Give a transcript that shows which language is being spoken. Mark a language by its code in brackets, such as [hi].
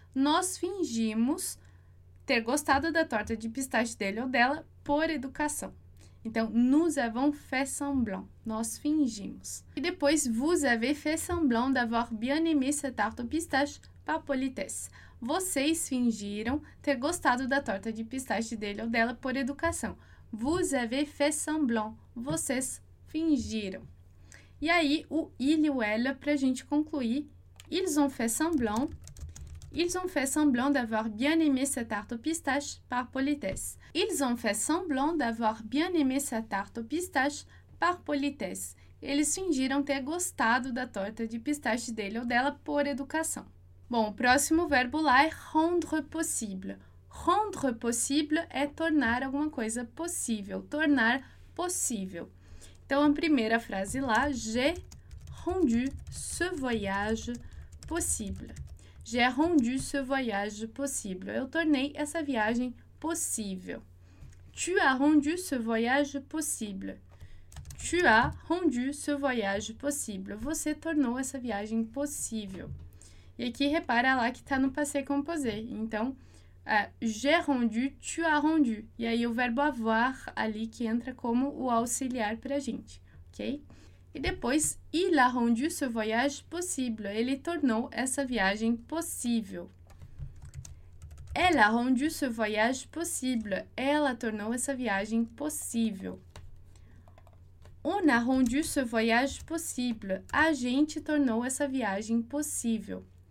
[pt] Nós fingimos ter gostado da torta de pistache dele ou dela por educação. [fr] Então, nous avons fait semblant. [pt] Nós fingimos. E depois, [fr] vous avez fait semblant d'avoir bien aimé sa tarte au pistache par politesse. [pt] Vocês fingiram ter gostado da torta de pistache dele ou dela por educação. [fr] Vous avez fait semblant. [pt] Vocês fingiram. E aí, o il e o elle para a gente concluir. [fr] Ils ont fait semblant. Ils ont fait semblant d'avoir bien aimé sa tarte au pistache par politesse. Ils ont fait semblant d'avoir bien aimé sa tarte au pistache par politesse. [pt] Eles fingiram ter gostado da torta de pistache dele ou dela por educação. Bom, o próximo verbo lá é rendre possible. Rendre possible é tornar alguma coisa possível, tornar possível. Então, a primeira frase lá, [fr] j'ai rendu ce voyage possible. J'ai rendu ce voyage possible. [pt] Eu tornei essa viagem possível. [fr] Tu as rendu ce voyage possible. Tu as rendu ce voyage possible. [pt] Você tornou essa viagem possível. E aqui, repara lá que está no passé composé. Então, [fr] j'ai rendu, tu as rendu. [pt] E aí, o verbo avoir ali que entra como o auxiliar para a gente, ok? E depois, [fr] il a rendu ce voyage possible. [pt] Ele tornou essa viagem possível. [fr] Elle a rendu ce voyage possible. [pt] Ela tornou essa viagem possível. [fr] On a rendu ce voyage possible. [pt] A gente tornou essa viagem possível.